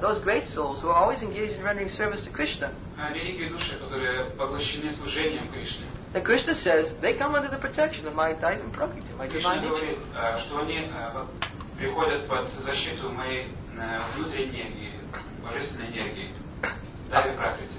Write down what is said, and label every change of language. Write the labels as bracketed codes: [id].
[en] Those great souls who are always engaged in rendering service to Krishna. [ru] Великие души, которые поглощены служением Кришне. [en] And Krishna says, they come under the protection of my dagam prakritim, my divine nature. [ru] Кришна говорит, что они приходят под защиту моей внутренней энергии, божественной энергии, дагам прокрити.